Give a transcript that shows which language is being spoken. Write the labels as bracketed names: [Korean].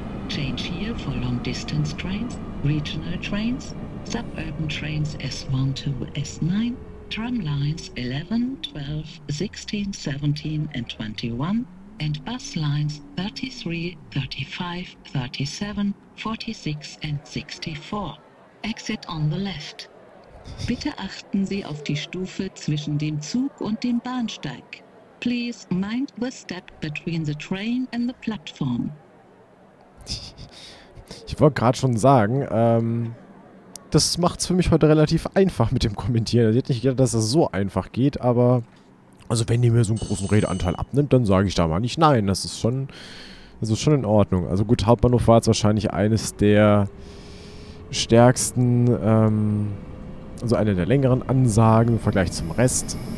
[English] Change here for long distance trains, regional trains, suburban trains S1 to S9, tram lines 11, 12, 16, 17 and 21, and bus lines 33, 35, 37, 46 and 64. Exit on the left. [German] Bitte achten Sie auf die Stufe zwischen dem Zug und dem Bahnsteig. [English] Please mind the step between the train and the platform. [German] Ich wollte gerade schon sagen, das macht es für mich heute relativ einfach mit dem Kommentieren. Ich hätte nicht gedacht, dass es so einfach geht, aber also wenn ihr mir so einen großen Redeanteil abnimmt, dann sage ich da mal nicht nein. Das ist schon in Ordnung. Also gut, Hauptbahnhof war jetzt wahrscheinlich eines der stärksten, also eine der längeren Ansagen im Vergleich zum Rest.